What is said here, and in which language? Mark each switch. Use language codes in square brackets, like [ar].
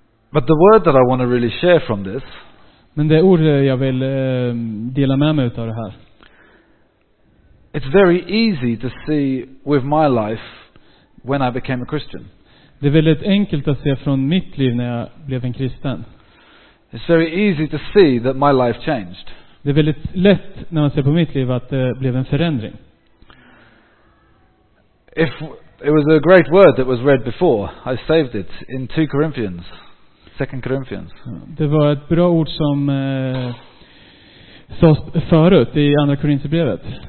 [en] But the word that I want to really share from this. [sv] Men det ord jag vill dela med mig utav det här. [en] It's very easy to see with my life when I became a Christian. [sv] Det är väldigt enkelt att se från mitt liv när jag blev en kristen. [en] It's very easy to see that my life changed. [sv] Det är väldigt lätt när man ser på mitt liv att det blev en förändring. [en] If it was a great word that was read before, I saved it in 2 Corinthians, 2 Corinthians. [sv] Det var ett bra ord som sades förut i andra Korinthierbrevet.